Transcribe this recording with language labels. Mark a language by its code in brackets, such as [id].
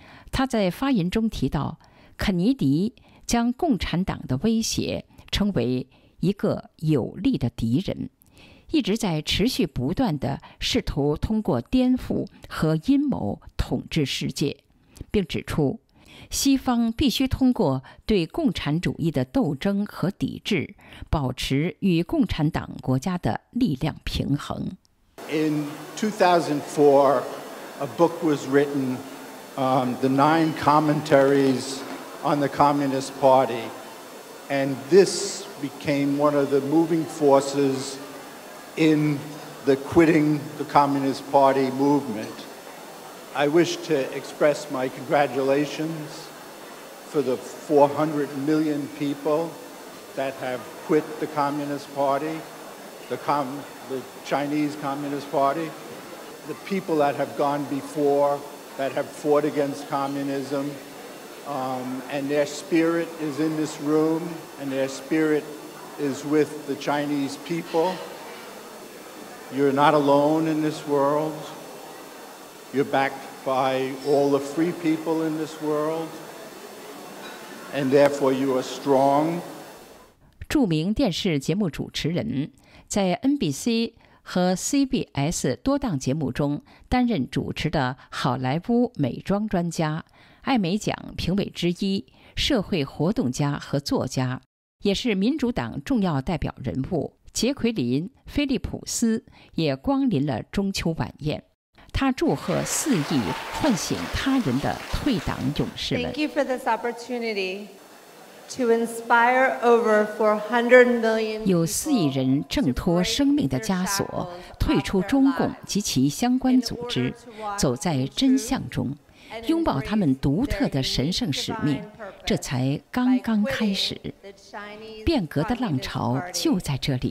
[zh] 他在发言中提到，肯尼迪将共产党的威胁称为一个有力的敌人，一直在持续不断地试图通过颠覆和阴谋统治世界，并指出西方必须通过对共产主义的斗争和抵制，保持与共产党国家的力量平衡。 [en] In 2004, a book was written, The Nine Commentaries on the Communist Party, and this became one of the moving forces in the quitting the Communist Party movement.I wish to express my congratulations for the 400 million people that have quit the Communist Party, the Chinese Communist Party, the people that have gone before, that have fought against communism, and their spirit is in this room, and their spirit is with the Chinese people. You're not alone in this world. You're backed by all the free people in this world, and therefore you are strong. [zh] 著名电视节目主持人，在 NBC 和 CBS 多档节目中担任主持的好莱坞美妆专家，艾美奖评委之一，社会活动家和作家，也是民主党重要代表人物杰奎琳·菲利普斯也光临了中秋晚宴。他祝贺肆意唤醒他人的退党勇士们。 [en] Thank you for this opportunity to inspire over 400 million. [zh] 有四亿人挣脱生命的枷锁，退出中共及其相关组织，走在真相中，拥抱他们独特的神圣使命。这才刚刚开始，变革的浪潮就在这里。